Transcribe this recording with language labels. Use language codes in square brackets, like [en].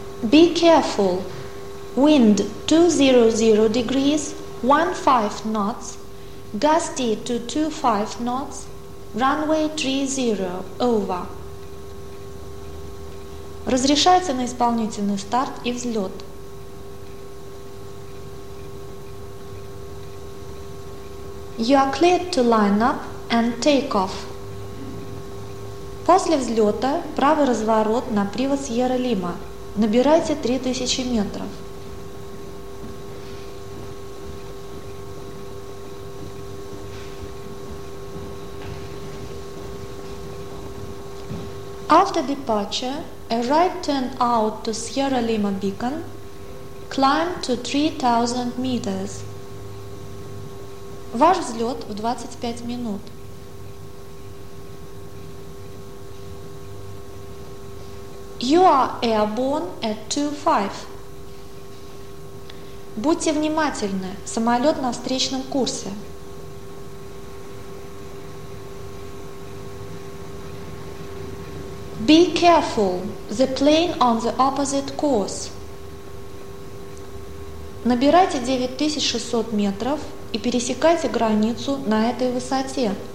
[en] Be careful. Wind 200 degrees, 15 knots, gusty to 25 knots, runway 30, over. [ru] Разрешается на исполнительный старт и взлет. [en] You are cleared to line up and take off. [ru] После взлета правый разворот на привод Сьерра-Лима. Набирайте 3000 метров. [en] After departure, a right turn out to Sierra Lima Beacon, climb to 3000 meters. [ru] Ваш взлет в 25 минут. [en] You are airborne at 2.5. [ru] Будьте внимательны, самолет на встречном курсе. [en] Be careful, the plane on the opposite course. [ru] Набирайте 9600 метров и пересекайте границу на этой высоте.